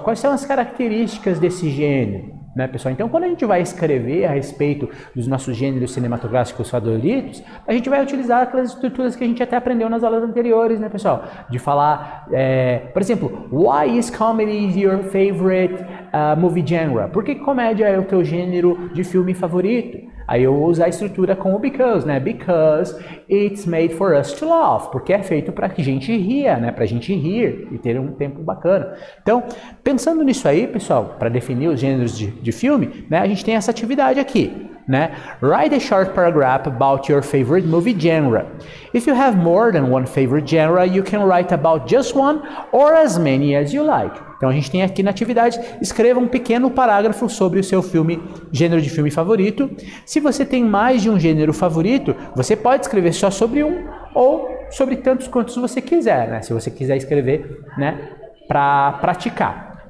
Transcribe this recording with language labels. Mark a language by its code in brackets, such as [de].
[pt] Quais são as características desse gênero, né, pessoal? Então, quando a gente vai escrever a respeito dos nossos gêneros cinematográficos favoritos, a gente vai utilizar aquelas estruturas que a gente até aprendeu nas aulas anteriores, né, pessoal? De falar, por exemplo, [en] why is comedy your favorite movie genre? [pt] Por que comédia é o teu gênero de filme favorito? Aí eu vou usar a estrutura com o because, né? [en] Because it's made for us to laugh. [pt] Porque é feito para que a gente ria, né? Para a gente rir e ter um tempo bacana. Então, pensando nisso aí, pessoal, para definir os gêneros de filme, né? A gente tem essa atividade aqui, né? [en] Write a short paragraph about your favorite movie genre. If you have more than one favorite genre, you can write about just one or as many as you like. [pt] Então, a gente tem aqui na atividade, escreva um pequeno parágrafo sobre o seu filme, gênero de filme favorito. Se você tem mais de um gênero favorito, você pode escrever só sobre um ou sobre tantos quantos você quiser, né? Se você quiser escrever, né, para praticar.